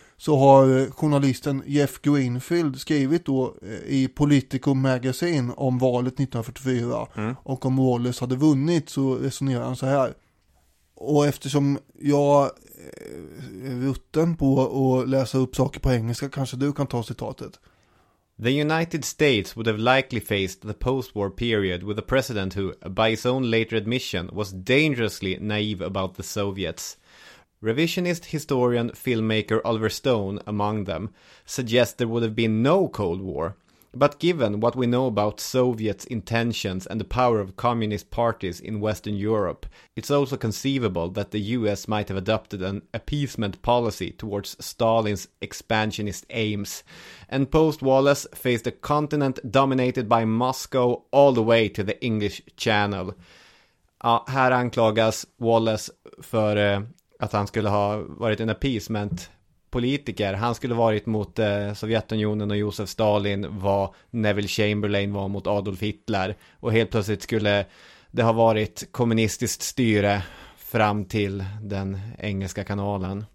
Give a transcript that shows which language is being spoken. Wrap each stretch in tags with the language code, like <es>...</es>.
<sv>Så har journalisten Jeff Greenfield skrivit då i Politico Magazine om valet 1944. Mm. Och om Wallace hade vunnit så resonerar han så här. Och eftersom jag är rutten på att läsa upp saker på engelska, kanske du kan ta citatet.</sv> <en>The United States would have likely faced the post-war period with a president who, by his own later admission, was dangerously naive about the Soviets. Revisionist historian filmmaker Oliver Stone, among them, suggests there would have been no Cold War. But given what we know about Soviets' intentions and the power of communist parties in Western Europe, it's also conceivable that the US might have adopted an appeasement policy towards Stalin's expansionist aims. And post-Wallace faced a continent dominated by Moscow all the way to the English Channel.</en> <sv>Här anklagas Wallace för att han skulle ha varit en appeasement politiker. Han skulle varit mot Sovjetunionen och Josef Stalin vad Neville Chamberlain var mot Adolf Hitler. Och helt plötsligt skulle det ha varit kommunistiskt styre fram till den engelska kanalen.</sv>